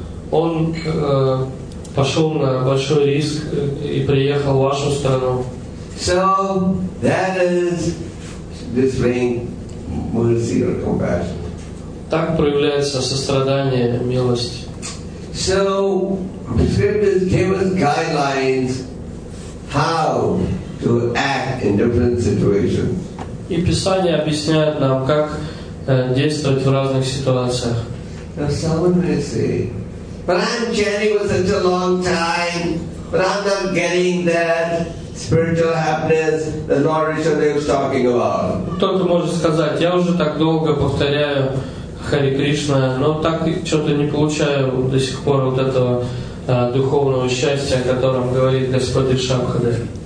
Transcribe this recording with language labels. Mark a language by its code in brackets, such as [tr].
[ru] Он пошел на большой риск и приехал в вашу страну. [en] So that is displaying mercy or compassion. [ru] Так проявляется сострадание, милость. [en] So the scriptures give us guidelines how to act in different situations. [ru] И Писание объясняет нам, как действовать в разных ситуациях. [en] Now someone may say, but I'm chanting for such a long time, but I'm not getting that spiritual happiness that Lord Rishabha was talking about. [ru] Кто-то может сказать, я уже так долго повторяю Хари Кришна, но так что-то не получаю до сих пор вот этого духовного счастья, о котором говорит Господь Ришабхадев.